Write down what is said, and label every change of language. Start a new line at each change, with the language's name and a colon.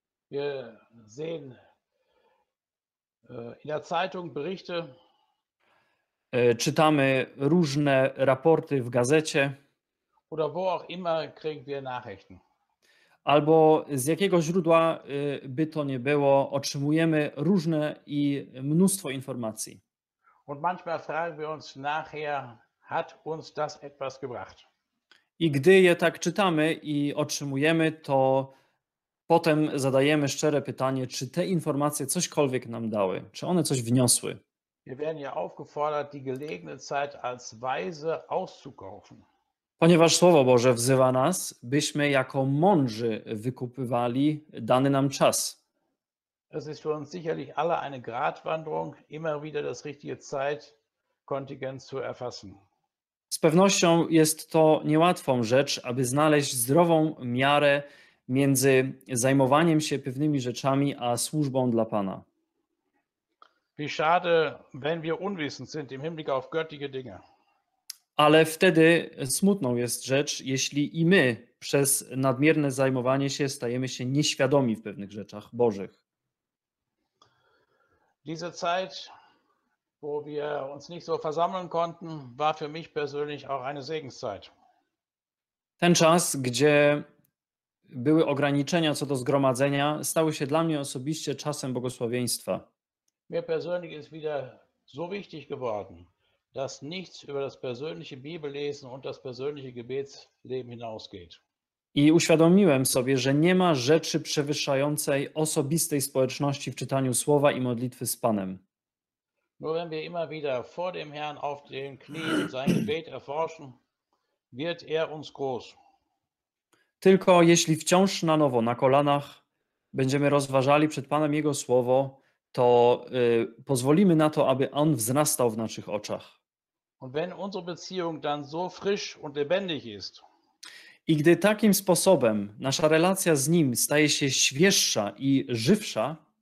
German: Wir sehen in der Zeitung Berichte.
Polish: Czytamy różne raporty w gazecie.
German: Oder wo auch immer kriegen wir Nachrichten.
Polish: Albo z jakiego źródła by to nie było, otrzymujemy różne i mnóstwo informacji.
German: Und manchmal fragen wir uns nachher, hat uns das etwas gebracht?
Polish: I gdy je tak czytamy i otrzymujemy, to potem zadajemy szczere pytanie, czy te informacje cośkolwiek nam dały, czy one coś wniosły.
German: Wir werden ja aufgefordert, die gelegene Zeit als weise auszukaufen.
Polish: Ponieważ Słowo Boże wzywa nas, byśmy jako mądrzy wykupywali dany nam czas.
German: Es ist für uns sicherlich alle eine Gratwanderung, immer wieder das richtige Zeitkontingent zu erfassen.
Polish: Z pewnością jest to niełatwą rzecz, aby znaleźć zdrową miarę między zajmowaniem się pewnymi rzeczami a służbą dla Pana.
German: Wie schade, wenn wir unwissend sind im Hinblick auf göttliche Dinge.
Polish: Ale wtedy smutną jest rzecz, jeśli i my przez nadmierne zajmowanie się stajemy się nieświadomi w pewnych rzeczach Bożych.
German: Diese Zeit, wo wir uns nicht so versammeln konnten, war für mich persönlich auch eine Segenszeit.
Polish: Ten czas, gdzie były ograniczenia co do zgromadzenia, stały się dla mnie osobiście czasem błogosławieństwa.
German: Mir persönlich ist wieder so wichtig geworden, dass nichts über das persönliche Bibellesen und das persönliche Gebetsleben hinausgeht.
Polish: I uświadomiłem sobie, że nie ma rzeczy przewyższającej osobistej społeczności w czytaniu słowa i modlitwy z Panem.
German: Nur wenn wir immer wieder vor dem Herrn auf den Knien sein Gebet erforschen, wird er uns groß.
Polish: Tylko jeśli wciąż na nowo na kolanach będziemy rozważali przed Panem Jego słowo, to pozwolimy na to, aby On wzrastał w naszych oczach.
German: Und wenn unsere Beziehung dann so frisch und lebendig ist.
Polish: I gdy takim sposobem nasza relacja z Nim staje się świeższa i żywsza,